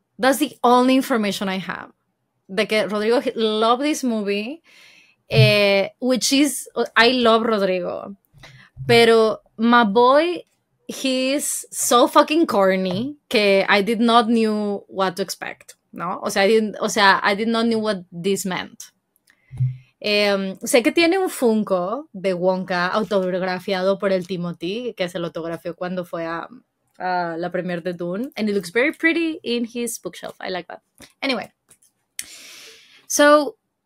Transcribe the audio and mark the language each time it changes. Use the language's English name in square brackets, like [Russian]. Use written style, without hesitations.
[English] That's the only information I have. [Spanish] De que [English] Rodrigo loved this movie, which is, I love Rodrigo, pero my boy... He's so fucking corny que I did not knew what to expect, ¿no? I did not know what this meant. [Spanish] Sé que tiene un Funko de Wonka autografiado por el Timothy, que se lo autografió cuando fue a la premiere de Dune. [English] And it looks very pretty in his bookshelf. I like that. Anyway. So,